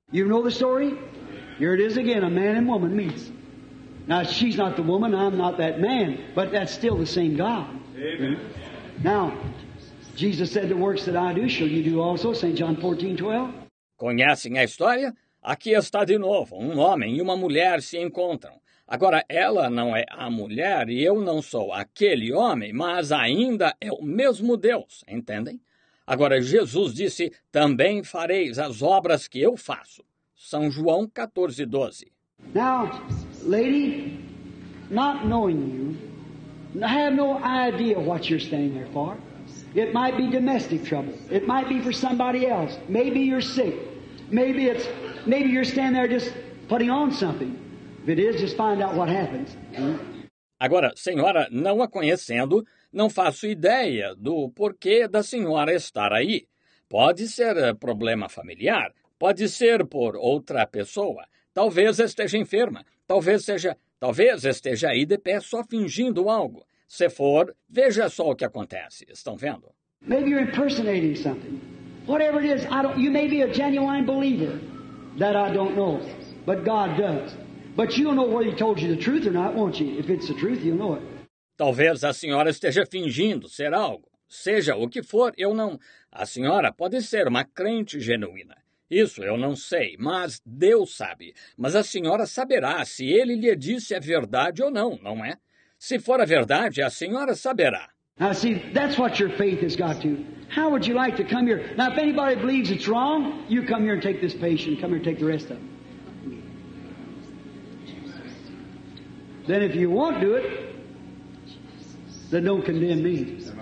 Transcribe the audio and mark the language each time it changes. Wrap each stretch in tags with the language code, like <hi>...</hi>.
<en>You know the story? Here it is again, a man and woman meets. Now, she's not the woman, I'm not that man, but that's still the same God. Amen. Now, Jesus said, the works that I do, shall you do also, St. John 14, 12.</en> <pt>Conhecem a história? Aqui está de novo, um homem e uma mulher se encontram. Agora, ela não é a mulher e eu não sou aquele homem, mas ainda é o mesmo Deus, entendem? Agora, Jesus disse, também fareis as obras que eu faço. São João 14, 12.</pt> <en>Now, lady, not knowing you, I have no idea what you're standing there for. It might be domestic trouble. It might be for somebody else. Maybe you're sick. Maybe you're standing there just putting on something. If it is, just find out what happens.</en> <pt>Agora, senhora, não a conhecendo, não faço ideia do porquê da senhora estar aí. Pode ser problema familiar. Pode ser por outra pessoa. Talvez esteja enferma. Talvez esteja aí de pé só fingindo algo. Se for, veja só o que acontece. Estão vendo?</pt> <en>Maybe you're impersonating something. Whatever it is, you may be a genuine believer that I don't know, but God does. But you'll know whether he told you the truth or not, won't you? If it's the truth, you'll know it.</en> <pt>Talvez a senhora esteja fingindo ser algo. Seja o que for, eu não. A senhora pode ser uma crente genuína. Isso eu não sei, mas Deus sabe. Mas a senhora saberá se ele lhe disse a verdade ou não, não é? Se for a verdade, a senhora saberá.</pt> <en>Now see, that's what your faith has got to. How would you like to come here? Now if anybody believes it's wrong, you come here and take this patient. Come here and take the rest of them. Then if you won't do it, then don't condemn me.</en>